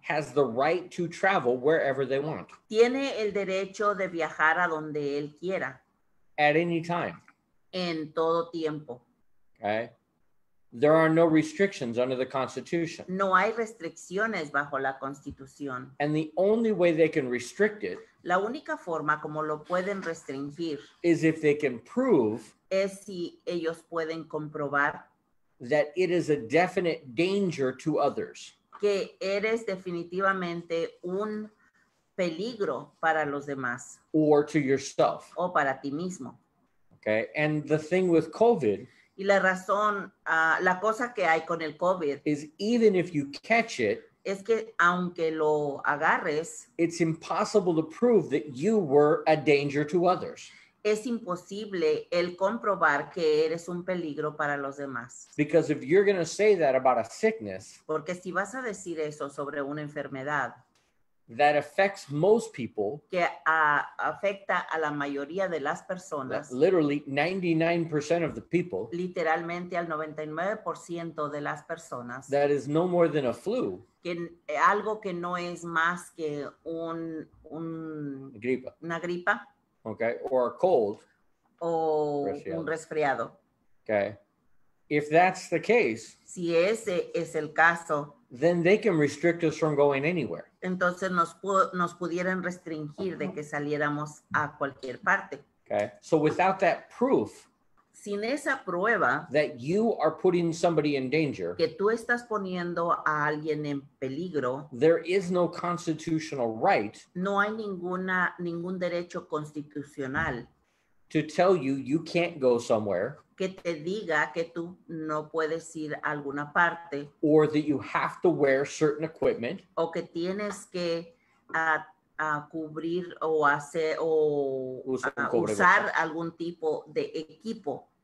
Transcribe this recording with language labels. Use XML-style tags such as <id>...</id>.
<en>has the right to travel wherever they want.</en> <es>Tiene el derecho de viajar a donde él quiera.</es> <en>At any time.</en> <es>En todo tiempo.</es> <en>Okay. There are no restrictions under the Constitution.</en> <es>No hay restricciones bajo la Constitución.</es> <en>And the only way they can restrict it.</en> <es>La única forma como lo pueden restringir.</es> <en>Is if they can prove.</en> <es>Es si ellos pueden comprobar.</es> <en>That it is a definite danger to others.</en> <es>Que eres definitivamente un peligro para los demás.</es> <en>Or to yourself.</en> <es>O para ti mismo.</es> <en>Okay, and the thing with COVID.</en> <es>Y la razón, la cosa que hay con el COVID.</es> <en>Is even if you catch it.</en> <es>Es que aunque lo agarres.</es> <en>It's impossible to prove that you were a danger to others.</en> <es>Es imposible el comprobar que eres un peligro para los demás.</es> <en>Because if you're going to say that about a sickness.</en> <es>Porque si vas a decir eso sobre una enfermedad.</es> <en>That affects most people.</en> <es>Que afecta a la mayoría de las personas.</es> <en>Literally 99% of the people.</en> <es>Literalmente al 99% de las personas.</es> <en>That is no more than a flu.</en> <es>Que algo que no es más que un gripa. Una gripa.</es> <en>Okay, or a cold.</en> <es>O un resfriado.</es> <en>Okay, if that's the case.</en> <es>Si ese es el caso.</es> <en>Then they can restrict us from going anywhere.</en> <es>Entonces nos pudieran restringir de que saliéramos a cualquier parte.</es> <en>Okay. So without that proof.</en> <es>Sin esa prueba.</es> <en>That you are putting somebody in danger.</en> <es>Que tú estás poniendo a alguien en peligro.</es> <en>There is no constitutional right.</en> <es>No hay ningún derecho constitucional.</es> <en>To tell you you can't go somewhere.</en> <es>Que te diga que tú no puedes ir a alguna parte.</es> <en>Or that you have to wear certain equipment.</en> <es>O que tienes que cubrir o hacer o usar algún tipo de equipo.</es>